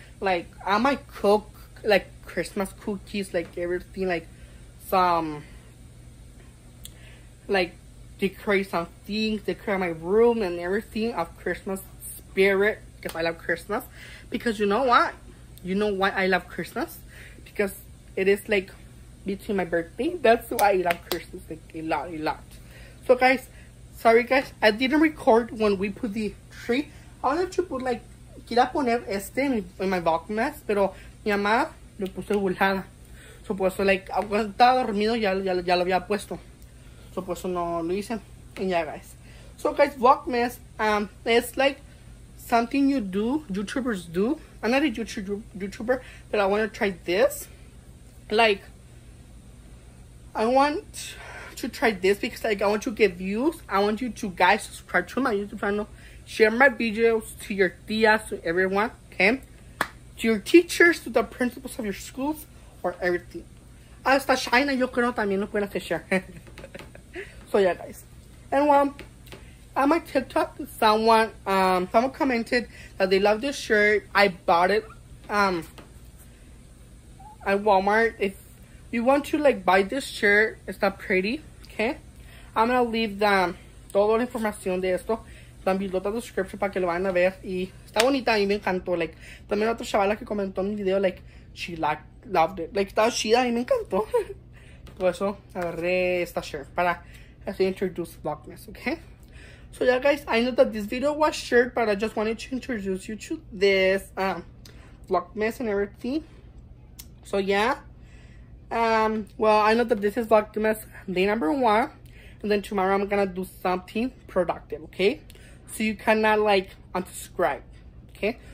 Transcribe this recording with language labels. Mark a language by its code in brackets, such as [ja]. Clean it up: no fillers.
[en] Like, I might cook, like, Christmas cookies, like, everything, like, some, like, decorate some things, decorate my room and everything of Christmas spirit, because I love Christmas. Because you know why I love Christmas? Because it is, like, between my birthday. That's why I love Christmas, like, a lot. So, guys, sorry, guys, I didn't record when we put the tree. I wanted to put, like, [es] quería poner este en my Vlogmas, pero mi mamá lo puso volada. Supuesto, like, cuando estaba dormido, ya lo había puesto. Supuesto, no lo hice. [en] And yeah, guys. So, guys, Vlogmas, it's like something you do, YouTubers do. I'm not a YouTuber, but I want to try this. Like, I want to try this because, like, I want to get views. I want you to, guys, subscribe to my YouTube channel. Share my videos to your tias, to everyone, okay? To your teachers, to the principals of your schools. Or everything. [es] Hasta China, yo creo también lo pueden hacer share. [en] So, yeah, guys. And, on my TikTok, someone commented that they love this shirt. I bought it at Walmart. If you want to, like, buy this shirt, it's not pretty, okay? I'm gonna leave the [es] toda la información de esto [en] down below the description [es] para que lo vayan a ver. Y está bonita, a mí me encantó. Like, también otra chavala que comentó en mi video, like, [en] she loved it. [es] Like, estaba chida y me encantó. Por eso agarré esta shirt para así introduce Vlogmas, okay? [en] So, yeah, guys, I know that this video was short, but I just wanted to introduce you to this Vlogmas and everything. So, yeah. Well, I know that this is Vlogmas day number one. And then tomorrow I'm gonna do something productive, okay? So you cannot, like, unsubscribe, okay?